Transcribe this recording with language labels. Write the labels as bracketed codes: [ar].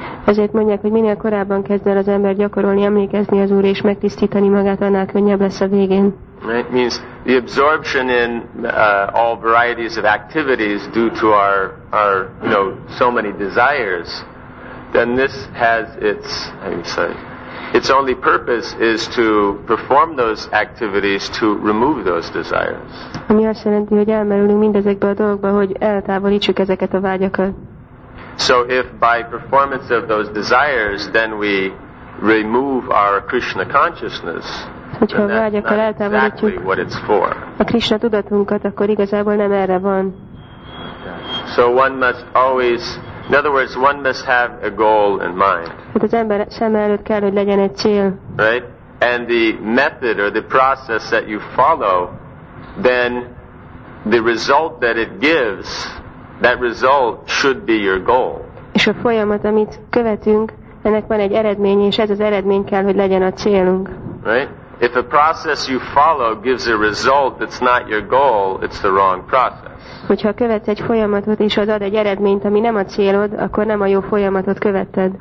[hu] Ezért mondják, hogy minél korábban kezd el az ember gyakorolni, emlékezni az Úrra és megtisztítani magát, annál könnyebb lesz a végén. [en] Right? Means the absorption in all varieties of activities due to our you know, so many desires, then this has its, how do you say, its only purpose is to perform those activities to remove those desires. [hu] Ami azt jelenti, hogy elmerülünk mindezekbe a dolgokba, hogy eltávolítsuk ezeket a vágyakat. [en] So if by performance of those desires, then we remove our Krishna consciousness, [hu] hogyha [en] then that's not [hu] eltávolítjuk [en] exactly what it's for. [hu] A Krishna tudatunkat, akkor igazából nem erre van. [en] So one must always, in other words, one must have a goal in mind. [hu] Hát az ember szeme előtt kell, hogy legyen egy cél. [en] Right? And the method or the process that you follow, then the result that it gives, that result should be your goal. [hu] És a folyamat, amit követünk, ennek van egy eredménye, és ez az eredmény kell, hogy legyen a célunk. [en] Right? If a process you follow gives a result that's not your goal, it's the wrong process. [hu] Hogyha követsz egy folyamatot, és az ad egy eredményt, ami nem a célod, akkor nem a jó folyamatot követted.